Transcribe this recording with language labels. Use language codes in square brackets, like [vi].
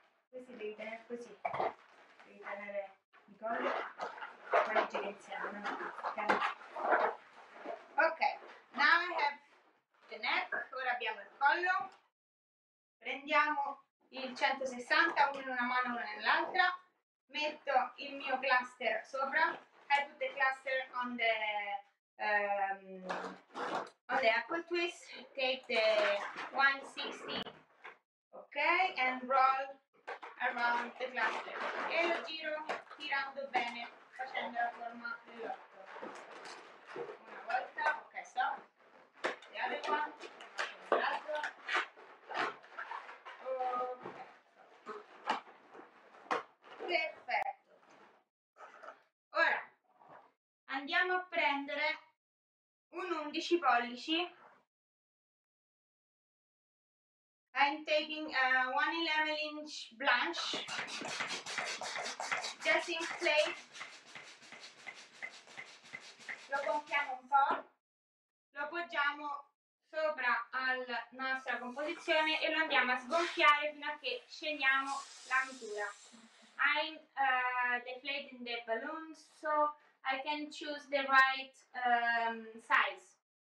[it] Questi devi tenere così, devi tenere i colli, poi gira insieme. [en] Ok, now I have the neck, [it] ora abbiamo il collo. Prendiamo il 160, uno in una mano, uno nell'altra. Metto il mio cluster sopra. [en] I put the cluster on the apple twist. Take the 160, okay, and roll around the cluster. [it] E lo giro tirando bene, facendo la forma dell'otto. Una volta, [en] ok, so. The other one, l'altro. [it] Perfetto. Ora andiamo a prendere un 11 pollici. [en] I'm taking a 111 inch blanche. Just inflate. [it] Lo gonfiamo un po'. Lo appoggiamo sopra alla nostra composizione e lo andiamo a sgonfiare fino a che scegliamo la misura. [en] I'm deflating the balloons so I can choose the right size.